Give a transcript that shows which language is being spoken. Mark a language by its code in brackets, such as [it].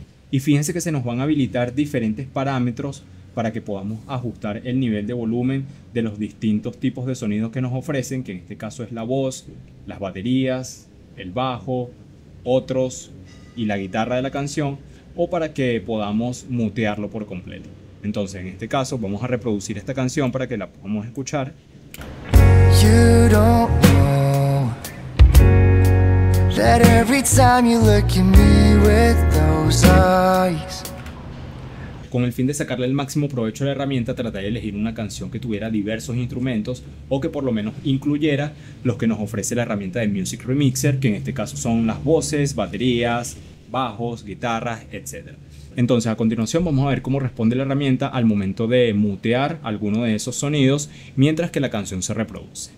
[es] Y fíjense que se nos van a habilitar diferentes parámetros para que podamos ajustar el nivel de volumen de los distintos tipos de sonidos que nos ofrecen, que en este caso es la voz, las baterías, el bajo, otros y la guitarra de la canción, o para que podamos mutearlo por completo. Entonces, en este caso, vamos a reproducir esta canción para que la podamos escuchar. [en] You don't know that every time you look at me with those eyes. [es] Con el fin de sacarle el máximo provecho a la herramienta, traté de elegir una canción que tuviera diversos instrumentos o que por lo menos incluyera los que nos ofrece la herramienta de Music Remixer, que en este caso son las voces, baterías, bajos, guitarras, etc. Entonces, a continuación vamos a ver cómo responde la herramienta al momento de mutear alguno de esos sonidos mientras que la canción se reproduce.